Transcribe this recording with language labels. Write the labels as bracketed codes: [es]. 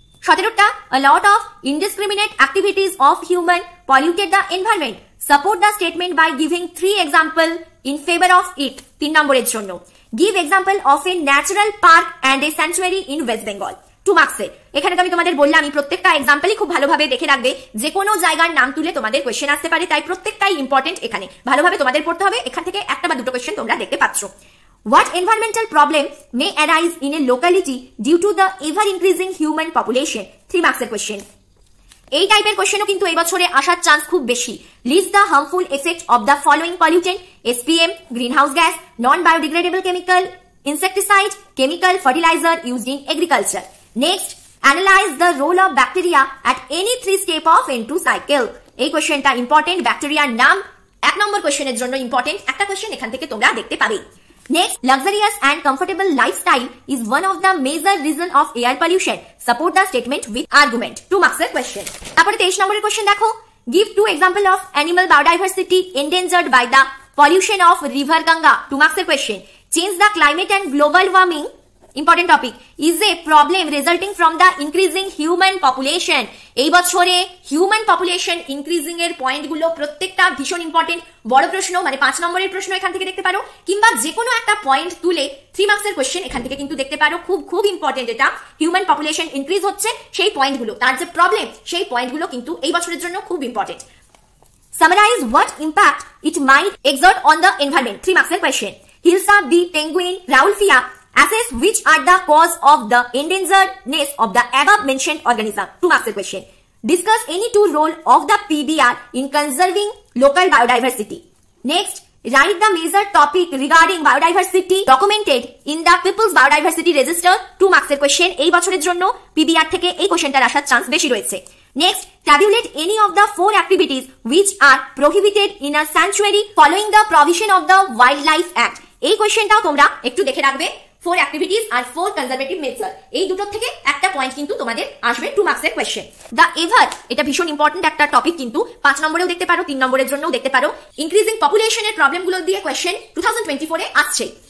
[en] 17টা, a lot of indiscriminate activities of human polluted the environment, support the statement by giving 3 example in favour of it, 3 নম্বরের জন্য, give example of a natural park and a sanctuary in West Bengal, 2 মার্কসে। [bn] এখানে তো আমি তোমাদের বললাম প্রত্যেকটা এক্সাম্পলই খুব ভালোভাবে দেখে রাখবে, যে কোনো জায়গার নাম তুলে তোমাদের কোয়েশ্চেন আসতে পারে, তাই প্রত্যেকটাই ইম্পর্টেন্ট, এখানে ভালোভাবে তোমাদের পড়তে হবে, এখান থেকে একটা বা দুটো কোয়েশ্চেন তোমরা দেখতে পাচ্ছ। [en] What environmental problem may arise in a locality due to the ever-increasing human population? 3 marks a question. [bn] এই টাইপের কোয়েশ্চেনও কিন্তু এই বছরে আসার চান্স খুব বেশি। [en] List the harmful effect of the following pollutant, SPM, greenhouse gas, non-biodegradable chemical, insecticide, chemical fertilizer used in agriculture. Next, analyze the role of bacteria at any 3 step of N2 cycle. [bn] এই কোয়েশ্চেনটা important, ব্যাকটেরিয়ার নাম 1 নম্বর কোয়েশ্চেনের জন্য important, একটা question এখান থেকে তোমরা দেখতে পাবে। [en] Next, luxurious and comfortable lifestyle is one of the major reason of air pollution, support the statement with argument, 2 marks a question. [bn] তারপরে 23 নম্বরের কোশ্চেন দেখো, [en] give 2 example of animal biodiversity endangered by the pollution of river Ganga, 2 marks a question. Change the climate and global warming, important topic, is a problem resulting from the increasing human population. [bn] এই বছরে human population increasing এর point গুলো প্রত্যেকটা ভীষণ important, বড় প্রশ্ন, মানে 5 নম্বরের প্রশ্ন এখান থেকে দেখতে পারো, কিংবা যে কোনো একটা পয়েন্ট তুলে 3 মার্কসের কোয়েশ্চেন এখান থেকে কিন্তু দেখতে পারো, খুব খুব ইম্পর্টেন্ট এটা। হিউম্যান পপুলেশন ইনক্রিজ হচ্ছে, সেই পয়েন্ট গুলো, তার যে প্রবলেম, সেই পয়েন্ট গুলো কিন্তু এই বছরের জন্য খুব important. [en] Summarise what impact it might exert on the environment, 3 মার্কসের question. Hilsa B penguin rauwolfia, assess which are the cause of the endangeredness of the above mentioned organism, 2 marks question. Discuss any 2 role of the PBR in conserving local biodiversity. Next, write the major topic regarding biodiversity documented in the People's Biodiversity Register, 2 marks question. [bn] এই বছরের জন্য PBR থেকে এই কোশ্চেনটা আসার chance বেশি রয়েছে। [en] Next, tabulate any of the 4 activities which are prohibited in a sanctuary following the provision of the Wildlife Act. [bn] এই কোশ্চেনটাও তোমরা একটু দেখে রাখবে, [en] 4 activities are 4 conservative measures, [bn] এই দুটো থেকে একটা পয়েন্ট কিন্তু তোমাদের আসবে, 2 মার্কসের কোশ্চেন। দ্য এভার, এটা ভীষণ ইম্পর্টেন্ট একটা টপিক, কিন্তু 5 নম্বরেও দেখতে পারো, 3 নম্বরের জন্যও দেখতে পারো, ইনক্রিজিং পপুলেশনের প্রবলেম গুলো দিয়ে কোয়েশ্চেন 2024 এ আসছে।